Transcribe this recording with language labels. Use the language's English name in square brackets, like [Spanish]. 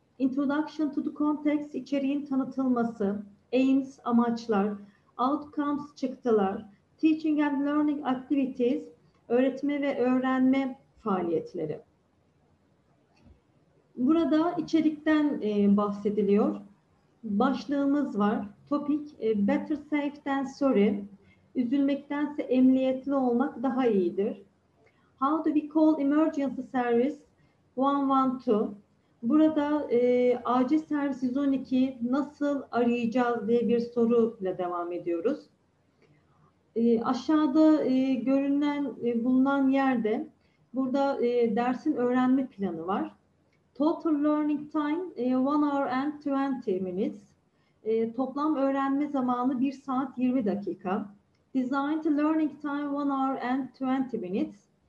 [English] Introduction to the context, [Turkish] içeriğin tanıtılması, [English] aims, amaçlar, outcomes, çıktılar, teaching and learning activities, [Turkish] öğretme ve öğrenme faaliyetleri. Burada içerikten bahsediliyor. Başlığımız var. [English] Topic, better safe than sorry. [Turkish] Üzülmektense emniyetli olmak daha iyidir. [English] How do we call emergency service 112? [Turkish] Burada acil servis 112 nasıl arayacağız diye bir soruyla devam ediyoruz. Aşağıda bulunan yerde burada dersin öğrenme planı var. [English] Total learning time 1 hour and 20 minutes. [Turkish] Toplam öğrenme zamanı 1 saat 20 dakika. [English] Designed learning time 1 hour and 20 minutes.